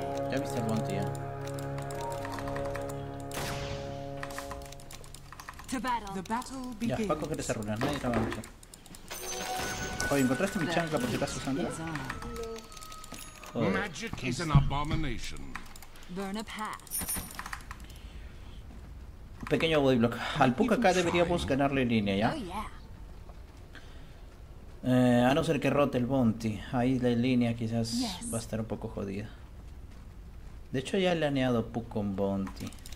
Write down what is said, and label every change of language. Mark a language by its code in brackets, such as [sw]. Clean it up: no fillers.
[es] Ya viste el bounty, ya. Ya, va a coger esa runa, nadie la va a luchar. Oye, ¿encontraste mi chancla por si acaso, Sandra? [en] Magic is an abomination. Burn a path. [es] Pequeño bodyblock. Al Puck acá deberíamos ganarle en línea, ¿ya? [en] Oh, yeah. [es] A no ser que rote el bounty. Ahí la línea quizás [en] yes. [es] va a estar un poco jodida. De hecho ya he laneado Puck con bounty.